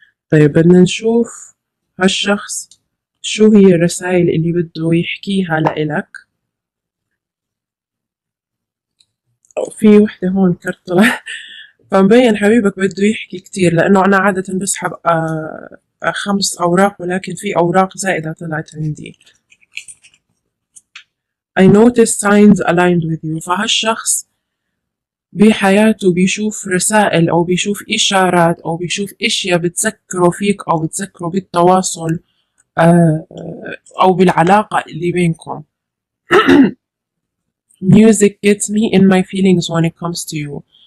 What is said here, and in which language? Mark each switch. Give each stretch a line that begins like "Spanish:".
Arabic: طيب بدنا نشوف هالشخص شو هي الرسائل اللي بده يحكيها لإلك. في وحدة هون كرت طلع، فمبين حبيبك بده يحكي كتير، لأنه أنا عادة بسحب خمس أوراق، ولكن في أوراق زائدة طلعت عندي.
English: I notice signs aligned with you.
Arabic: فهالشخص بحياته بيشوف رسائل أو بيشوف إشارات أو بيشوف أشياء بتذكره فيك أو بتذكره بالتواصل أو بالعلاقة اللي بينكم.
English: Music gets me in my feelings when it comes to you.